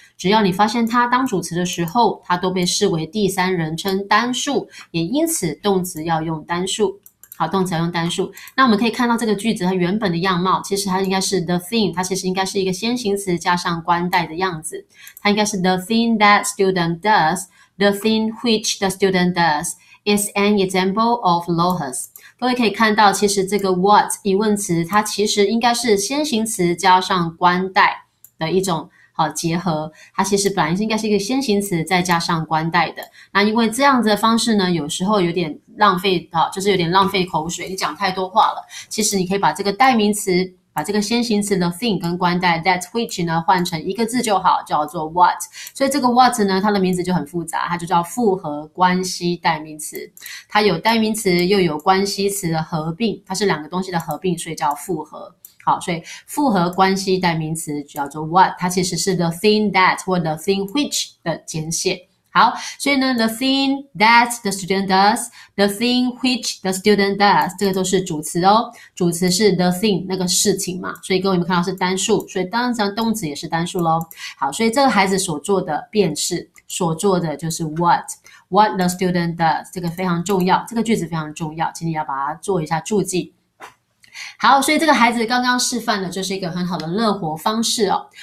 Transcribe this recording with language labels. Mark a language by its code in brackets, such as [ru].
[zh] 只要你发现它当主词的时候，它都被视为第三人称单数，也因此动词要用单数。好，动词要用单数。那我们可以看到这个句子它原本的样貌，其实它应该是 the thing，它其实应该是一个先行词加上冠带的样子。它应该是 [en] the thing that student does，the thing which the student does is an example of Lohas。 [zh] 各位可以看到，其实这个 what 疑问词它其实应该是先行词加上冠带的一种。好，结合，它其实本来应该是一个先行词，再加上冠带的。那因为这样子的方式呢，有时候有点浪费啊，就是有点浪费口水，你讲太多话了。其实你可以把这个代名词，把这个先行词 the thing 跟冠带 that which 呢换成一个字就好，叫做 what。所以这个 what 呢，它的名字就很复杂，它就叫复合关系代名词。它有代名词，又有关系词的合并，它是两个东西的合并，所以叫复合。好，所以复合关系代名词叫做 what，它其实是 [en] the thing that [zh] 或 [en] the thing which [zh] 的简写。好，所以呢， [en] the thing that the student does，the thing which the student does， [zh] 这个都是主词哦。主词是 the thing 那个事情嘛，所以各位有没有看到是单数？所以当然动词也是单数喽。好，所以这个孩子所做的便是所做的就是 [en] what the student does， [zh] 这个非常重要，这个句子非常重要，请你要把它做一下注记。好，所以这个孩子刚刚示范的就是一个很好的乐活方式哦。